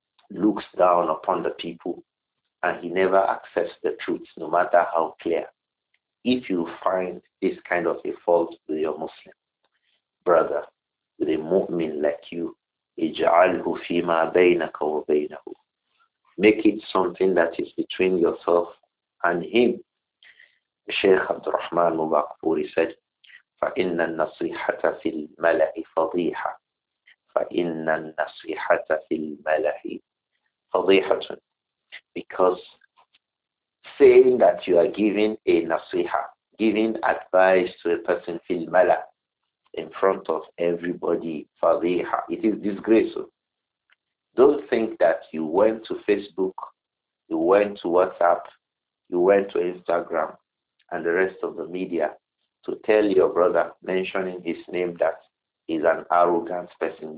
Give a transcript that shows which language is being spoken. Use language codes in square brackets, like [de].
[en] looks down upon the people and he never accepts the truth, no matter how clear. If you find this kind of a fault with your Muslim brother, with a mu'min like you, [ar] اجعله فيما بينك وبينه, [en] make it something that is between yourself and him. Sheikh Abdul Rahman Mubarakpuri said, [ar] فَإِنَّ النَّصِيحَةَ فِي الْمَلَأِ فَضِيحَةٌ فَإِنَّ النَّصِيحَةَ فِي الْمَلَأِ فَضِيحَةٌ. [en] Because saying that you are giving a nasiha, giving advice to a person [ar] fi al-mala, [en] in front of everybody, fadiha, it is disgraceful. Don't think that you went to Facebook, you went to WhatsApp, you went to Instagram and the rest of the media to tell your brother, mentioning his name, that he's an arrogant person.